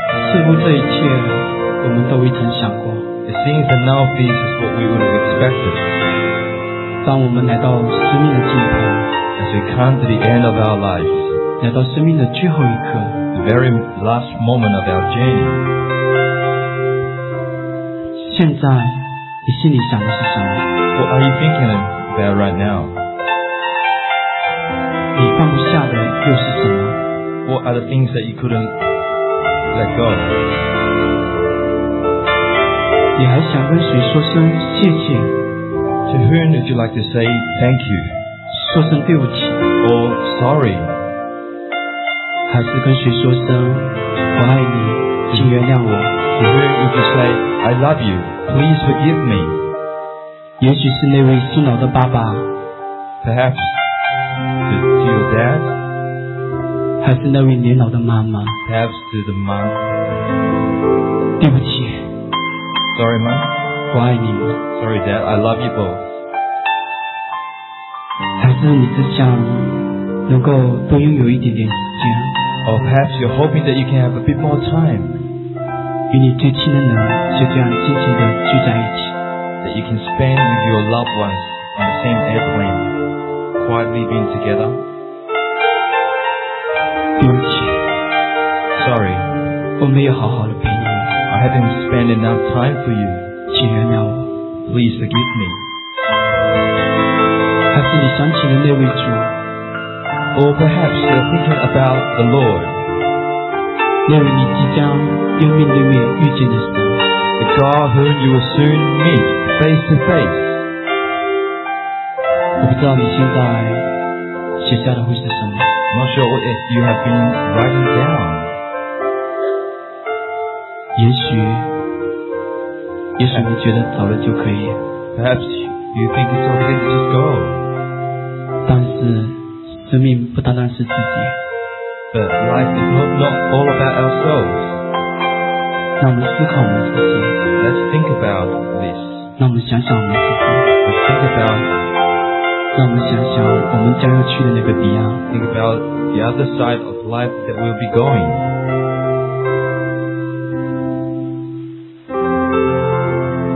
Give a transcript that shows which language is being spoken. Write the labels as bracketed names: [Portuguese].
[Chinese] 似乎这一切我们都已经想过。 [English] It seems that none of these is what we would have expected. [Chinese] 当我们来到生命的尽头 [English] as we come to the end of our lives, [Chinese] 来到生命的最后一刻 [English] the very last moment of our journey. [Chinese] 现在你心里想的是什么？ [English] What are you thinking about right now? [Chinese] 你放不下的又是什么？ [English] What are the things that you couldn't let go? [Chinese] 你还想跟谁说声谢谢？ [English] To whom would you like to say thank you? [Chinese] 说声对不起？ [English] Or sorry? [Chinese] 还是跟谁说声我爱你，请原谅我？ [English] To whom would you say I love you? Please forgive me? [Chinese] 也许是那位辛劳的爸爸 [English] Perhaps to your dad [Chinese] 还是那位年老的妈妈 [English] Perhaps to the mom [Chinese] 对不起 [English] Sorry mom [Chinese] 我爱你 [English] Sorry dad I love you both [Chinese] 还是你只想能够多拥有一点点时间 [English] Or perhaps you're hoping that you can have a bit more time [Chinese] 与你最亲的人就这样紧紧地聚在一起 [English] That you can spend with your loved ones on the same airplane, quietly being together. [Chinese] 对不起 [English] Sorry. [Chinese] 我没有好好的陪你 [English] I haven't spent enough time for you. [Chinese] 请原谅我 [English] Please forgive me. [Chinese] 还是你想起了那位主 [English] Or perhaps you're thinking about the Lord. [Chinese] 那位你即将要面对面遇见的神 [English] The God whom you will soon meet. Face to face. [Chinese] 我不知道你现在写下的会是什么。 [English] I'm not sure what you have been writing down. [Chinese] 也许，也许你觉得走了就可以。 [English] Perhaps you think it's okay to just go. [Chinese] 但是，生命不单单是自己。 [English] But life is not all about ourselves. [Chinese] 让我们思考我们自己。 [English] Let's think about this. [Chinese] 让我们想想我们自己 [English] Think about [Chinese] 让我们想想我们将要去的那个彼岸 [English] Think about the other side of life that we'll be going